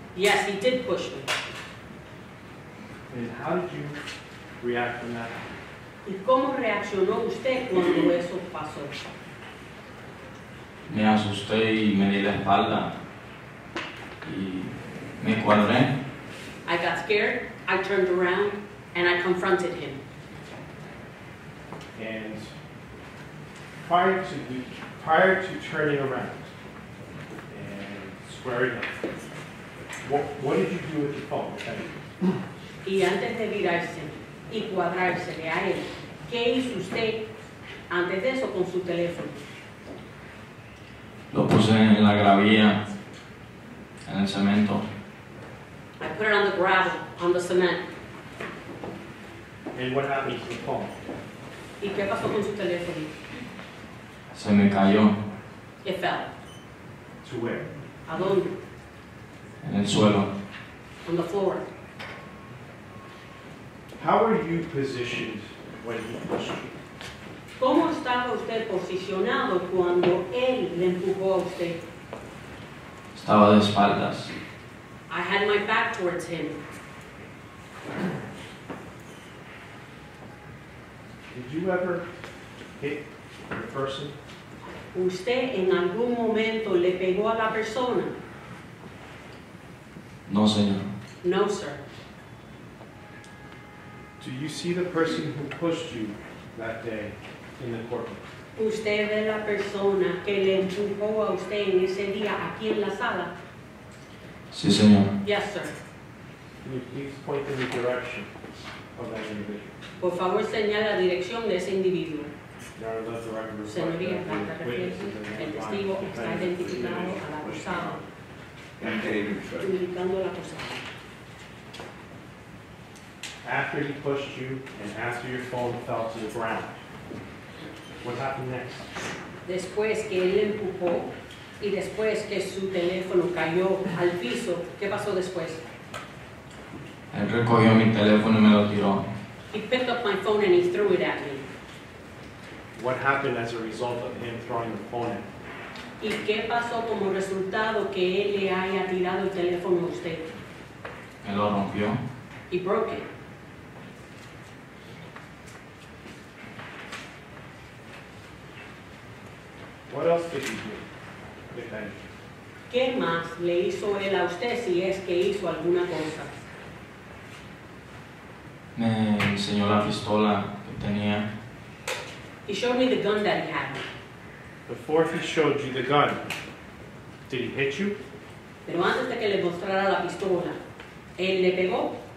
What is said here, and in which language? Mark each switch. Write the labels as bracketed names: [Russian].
[English] Yes, he did push me. And how did you react from that? [Spanish] ¿Y cómo reaccionó usted cuando eso pasó? Me asusté y me di la espalda y me cuadré. [English] I got scared, I turned around, and I confronted him. And prior to turning around and squaring up, what did you do with your phone? [Spanish] Y antes de virarse y cuadrársele a él, ¿qué hizo usted antes de eso con su teléfono? Lo puse en la gravilla, en el cemento. [English] I put it on the gravel, on the cement. And what happened to the phone? [Spanish] ¿Y qué pasó con su teléfono? Se me cayó. [English] It fell. To where? [Spanish] ¿A dónde? En el suelo. [English] On the floor. How were you positioned when he pushed you? [Spanish] ¿Cómo estaba usted posicionado cuando él le empujó a usted? Estaba de espaldas. [English] I had my back towards him. Did you ever hit the person? [Spanish] ¿Usted en algún momento le pegó a la persona? No, señor. [English] No, sir. Do you see the person who pushed you that day? In the courtroom. [Spanish] ¿Usted ve la persona que le empujó a usted en ese día aquí en la sala? Sí, señor. [English] Yes, sir. Can you please point in the direction of that individual? [Spanish] Por favor, señala la dirección de ese individuo. Señoría, falta referencia. El testigo está identificado al acusado. Indicando al acusado. [English] After he pushed you and after your phone fell to the ground, what happened next? [Spanish] Después que él empujó y después que su teléfono cayó al piso, ¿qué pasó después? Él recogió mi teléfono y me lo tiró. [English] He picked up my phone and he threw it at me. What happened as a result of him throwing the phone at me? [Spanish] ¿Y qué pasó como resultado que él le haya tirado el teléfono a usted? Me lo rompió. [English] He broke it. What else did he do? [Spanish] ¿Qué más le hizo él a usted si es que hizo alguna cosa? Me enseñó la pistola que tenía. [English] He showed me the gun that he had. Before he showed you the gun, did he hit you? [Spanish] Pero antes de que le mostrara la pistola, ¿él le pegó?